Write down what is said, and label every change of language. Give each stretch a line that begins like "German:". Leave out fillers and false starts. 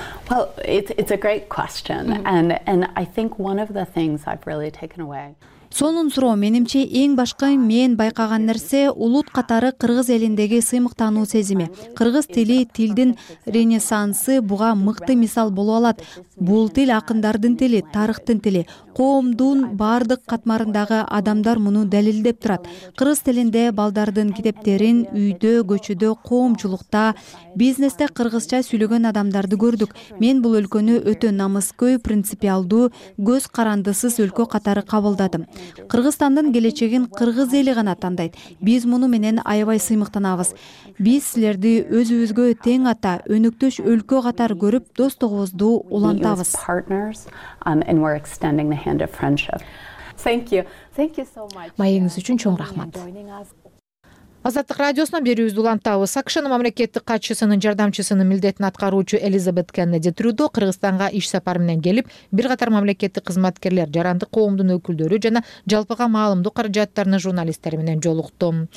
English: Well, it's a great question and I think one of the things I've really taken away.
Kyrgyz: Сонун суроо менимче эң башкы мен байкаган нерсе улут катары кыргыз элиндеги сыймыктануу сезими. Кыргыз тили тилдин ренессансы буга мыкты мисал боло алат. Бул тил акындардын тили, тарыхтын тили. Коомдун бардык катмарындагы адамдар муну далилдеп турат. Кыргыз тилинде балдардын китептерин үйдө, көчөдө, коомчулукта, бизнесте кыргызча сүйлөгөн адамдарды көрдүк. Мен бул өлкөнү өтө намыскөй, принципиалдуу, көз карандысыз өлкө катары кабылдадым. Кыргызстандын келечегин кыргыз эли гана тандайт. Биз муну менен аябай сыймыктанабыз. Биз силерди өзүбүзгө тең ата, өнөктөш өлкө катары көрүп, достугубузду улантабыз.
English: And we're extending the hand of friendship. Thank you. Thank you so much.
Kyrgyz: Майыңыз үчүн чоң рахмат. Азаттык радиосуна берүүбүздү улантабыз. АКШнын мамлекеттик катчысынын жардамчысынын милдетин аткаруучу Элизабет Кеннеди Трюдо Кыргызстанга иш сапар менен келип, бир катар мамлекеттик кызматкерлер, жарандык коомдун өкүлдөрү жана жалпыга маалымдуу каражаттарынын журналисттери менен жолукту.